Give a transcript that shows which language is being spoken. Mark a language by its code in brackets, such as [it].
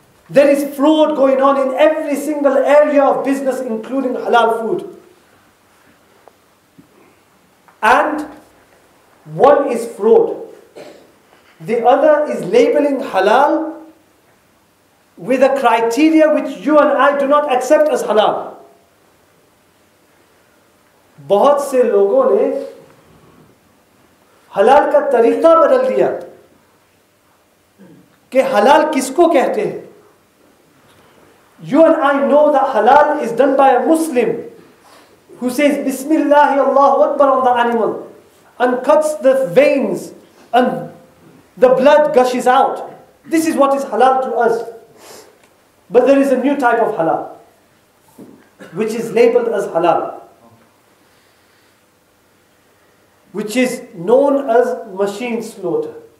[en] There is fraud going on in every single area of business, including halal food. And one is fraud. The other is labeling halal with a criteria which you and I do not accept as halal. [hi] बहुत से लोगों ने हलाल का तरीका बदल दिया कि हलाल किसको कहते हैं. [en] You and I know that halal is done by a Muslim who says Bismillahi Allahu Akbar on the animal, and cuts the veins and the blood gushes out. This is what is halal to us. But there is a new type of halal, which is labeled as halal, which is known as machine slaughter.